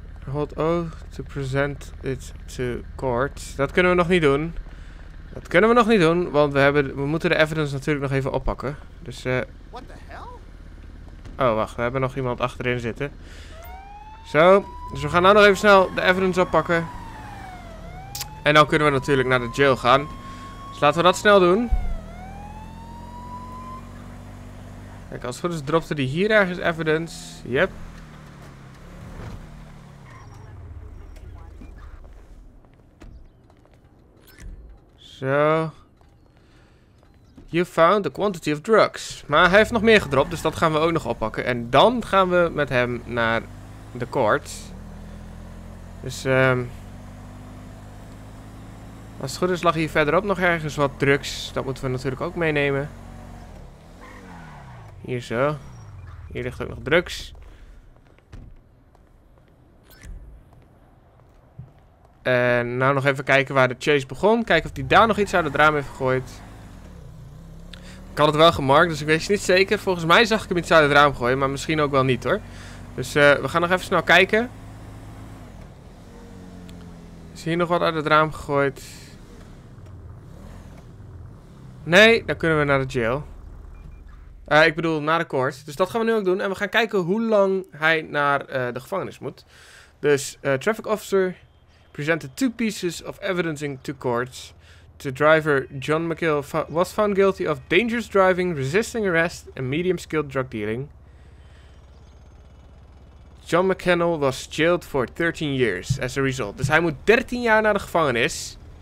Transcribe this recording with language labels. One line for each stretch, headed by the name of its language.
English: Hold O to present it to court.
Dutch: Dat kunnen we nog niet doen. Dat kunnen we nog niet doen, want we moeten de evidence natuurlijk nog even oppakken. Dus
English: What the hell?
Dutch: Oh, wacht. We hebben nog iemand achterin zitten. Zo. Dus we gaan nou nog even snel de evidence oppakken. En dan kunnen we natuurlijk naar de jail gaan. Dus laten we dat snel doen. Kijk, als het goed is dropte die hier ergens evidence.
English: Yep.
Dutch: Zo.
English: You found the quantity of drugs.
Dutch: Maar hij heeft nog meer gedropt, dus dat gaan we ook nog oppakken. En dan gaan we met hem naar de court. Dus als het goed is lag hier verderop nog ergens wat drugs. Dat moeten we natuurlijk ook meenemen. Hier zo. Hier ligt ook nog drugs. En nou nog even kijken waar de chase begon. Kijken of hij daar nog iets uit het raam heeft gegooid. Ik had het wel gemarkt, dus ik weet het niet zeker. Volgens mij zag ik hem iets uit het raam gooien, maar misschien ook wel niet hoor. Dus we gaan nog even snel kijken. Is hier nog wat uit het raam gegooid? Nee, dan kunnen we naar de jail. Ik bedoel, naar de court. Dus dat gaan we nu ook doen. En we gaan kijken hoe lang hij naar de gevangenis moet. Dus
English: traffic officer presented two pieces of evidence in two courts. The driver John McGill was found guilty of dangerous driving, resisting arrest, and medium-skilled drug dealing. John McKennell was jailed for 13 years as a result.
Dutch: Dus hij moet 13 jaar naar de gevangenis.